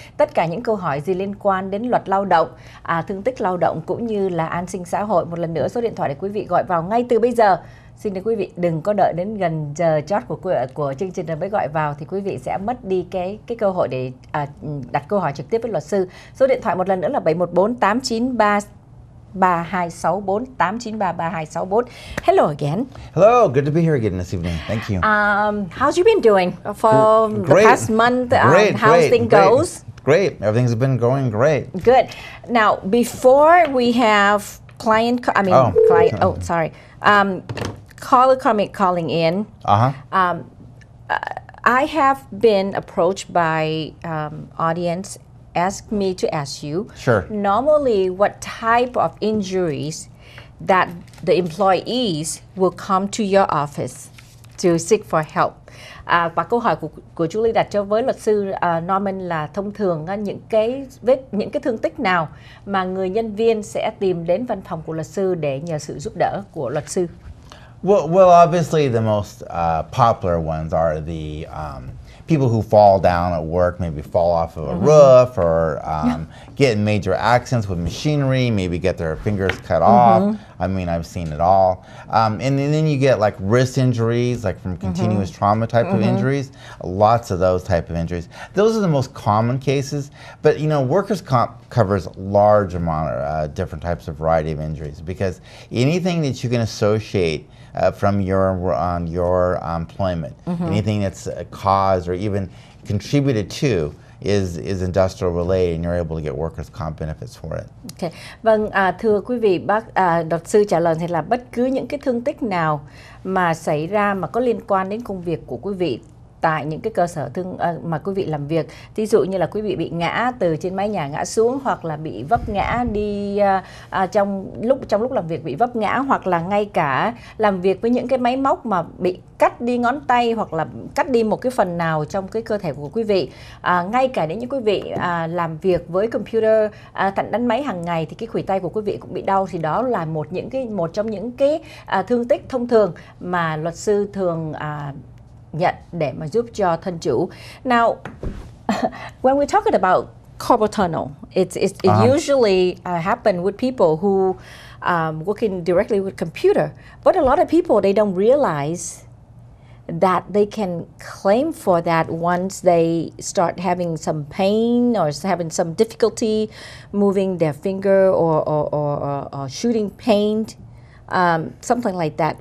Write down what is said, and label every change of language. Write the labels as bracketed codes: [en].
[vi] Tất cả những câu hỏi gì liên quan đến luật lao động, thương tích lao động cũng như là an sinh xã hội, một lần nữa số điện thoại để quý vị gọi vào ngay từ bây giờ. Xin quý vị đừng có đợi đến gần giờ chót của chương trình rồi mới gọi vào, thì quý vị sẽ mất đi cái cơ hội để đặt câu hỏi trực tiếp với luật sư. Số điện thoại một lần nữa là 714-893-3264, 893-3264. [en] Hello again. Hello, good to be here again this evening. Thank you. How's you been doing for great. The past month? Great, how's great, thing great. Goes? Great, everything's been going great. Good. Now, before we have calling in. I have been approached by audience ask me to ask you. Sure. Normally, what type of injuries that the employees will come to your office to seek for help? [vi] Và câu hỏi của Julie đặt cho với luật sư Norman là thông thường những cái thương tích nào mà người nhân viên sẽ tìm đến văn phòng của luật sư để nhờ sự giúp đỡ của luật sư. [en] Well, obviously the most popular ones are the people who fall down at work, maybe fall off of a roof, or get in major accidents with machinery, maybe get their fingers cut off. I mean, I've seen it all. And then you get like wrist injuries, like from continuous trauma type of injuries, lots of those type of injuries. Those are the most common cases. But, you know, workers' comp covers a large amount of different types of variety of injuries, because anything that you can associate from your employment, anything that's caused or even contributed to is industrial related, and you're able to get workers' comp benefits for it. Okay. [vi] Vâng, thưa quý vị, bác luật sư trả lời là bất cứ những cái thương tích nào mà xảy ra mà có liên quan đến công việc của quý vị tại những cái cơ sở thương mà quý vị làm việc, ví dụ như là quý vị bị ngã từ trên mái nhà ngã xuống, hoặc là bị vấp ngã đi trong lúc làm việc bị vấp ngã, hoặc là ngay cả làm việc với những cái máy móc mà bị cắt đi ngón tay hoặc là cắt đi một cái phần nào trong cái cơ thể của quý vị, ngay cả đến những quý vị làm việc với computer thành đánh máy hàng ngày thì cái khuỷu tay của quý vị cũng bị đau, thì đó là một trong những cái thương tích thông thường mà luật sư thường nhận để mà giúp cho thân chủ. [en] Now, when we're talking about carpal tunnel, it usually happen with people who working directly with computer. But a lot of people, they don't realize that they can claim for that once they start having some pain or having some difficulty moving their finger or shooting paint, something like that.